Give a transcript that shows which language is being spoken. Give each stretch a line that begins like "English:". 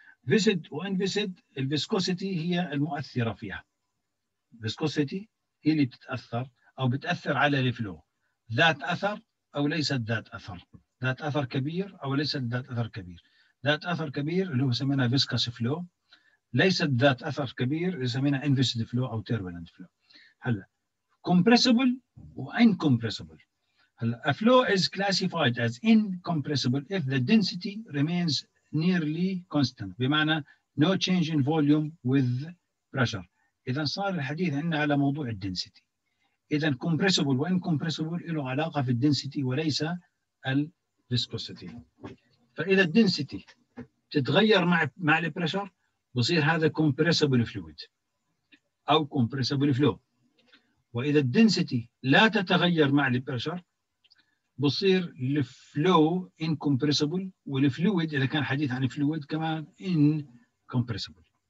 Arabic: viscid و inviscid الviscosity هي المؤثرة فيها، viscosity هي اللي بتتأثر أو بتأثر على الفلو، ذات أثر أو ليست ذات أثر، ذات أثر كبير أو ليست ذات أثر كبير. ذات أثر كبير اللي هو سمينا viscous flow، ليست ذات أثر كبير اللي سمينا inviscid flow أو turbulent flow. هلأ compressible و incompressible.
English: هلأ a flow is classified as incompressible if the density remains nearly constant،
Arabic: بمعنى
English: no change in volume with pressure.
Arabic: إذن صار الحديث عندنا على موضوع الدنسيتي، إذن compressible و incompressible له علاقة في الدنسيتي وليس الفيسكوسيتي. فإذا الدنسيتي تتغير مع البريشر بصير هذا compressible fluid أو compressible flow، وإذا الدنسيتي لا تتغير مع البريشر بصير الفلو incompressible، والفلويد إذا كان حديث عن الفلويد كمان incompressible.